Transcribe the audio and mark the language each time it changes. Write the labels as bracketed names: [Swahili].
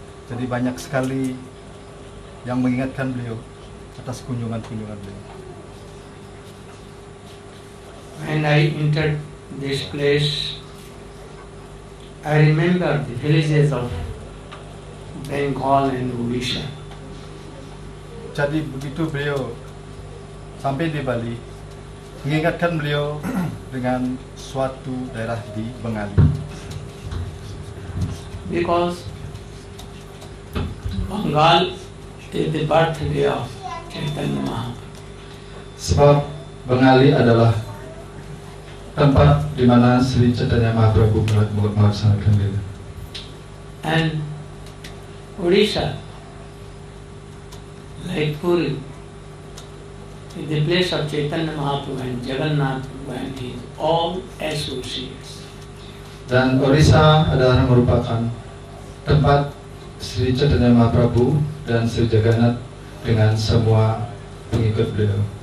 [Indonesian] Jadi banyak sekali yang mengingatkan beliau atas kunjungan-kunjungan beliau. [English] When I entered this place, I remember the villages of Bengal and Odisha. [Indonesian] Jadi begitu beliau sampai di Bali, mengingatkan beliau dengan suatu daerah di Bengali. [English] Because Bengal is the birthday of Chaitanya Mahaprabhu. [Indonesian] Sebab Bengali adalah tempat di mana Sri Chaitanya Mahaprabhu melaksanakan diri. [English] And Odisha, like Puri, is the place of Chaitanya Mahaprabhu and Jagannath and his all associates. [Indonesian] Dan Odisha adalah merupakan tempat Sri Chaitanya Mahaprabhu dan Sri Jagannath dengan semua pengikut beliau.